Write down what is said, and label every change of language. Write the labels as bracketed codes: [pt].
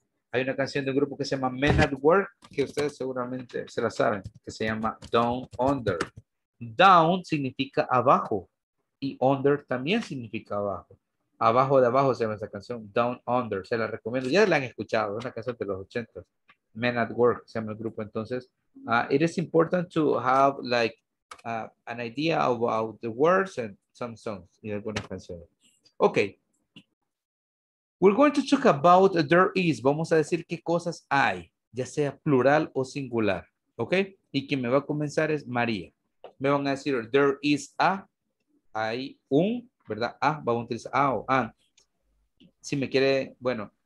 [es] Hay una canción de un grupo que se llama Men at Work, que ustedes seguramente se la saben, que se llama Down Under. Down significa abajo y under también significa abajo. Abajo de abajo se llama esa canción, Down Under, se la recomiendo. Ya la han escuchado, es una canción de los 80s. Men at Work se llama el grupo. [en] Entonces, it is important to have like an idea about the words and some songs [es] y algunas canciones. [en] Okay. We're going to talk about there is. [es] Vamos a decir qué cosas hay, ya sea plural o singular. Okay. Y quien me va a comenzar es María. Me van a decir there is a, hay un, ¿verdad? A, vamos a utilizar a o an. Si me quiere, bueno.